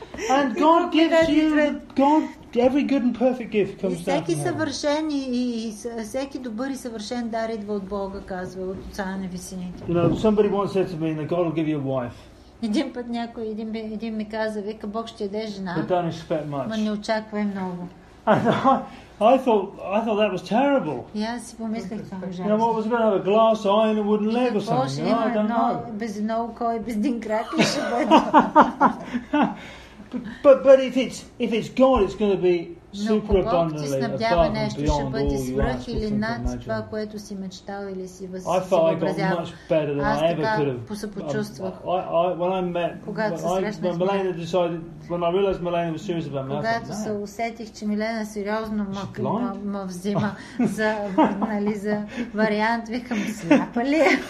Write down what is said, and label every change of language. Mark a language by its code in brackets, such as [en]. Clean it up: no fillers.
[en] And God gives you God every good and perfect gift comes down. [bg] Всеки съвършен и всеки добър и съвършен дар идва от Бога, казва от Отца на Висините. [en] You know, somebody once said to me that God will give you a wife. [bg] Един път някой един ми каза, вика, Бог ще даде жена. [en] But don't expect much. [bg] Ма не очаквай много. [en] I thought that was terrible. Yes, you know, what was it going to have, a glass eye and a wooden leg or something? You know, I don't know. [bg] Без нокой, без динкрак, ще бъде. [en] But if it's God, it's going to be super abundantly above and beyond all you ask or think or imagine. I felt I got much better than I ever could have. When Milena decided, when I realized Milena was serious about me, I thought, man. [bg] Когато се усетих, че Милена сериозно ме взима за, нали, за вариант, викам, слепа ли?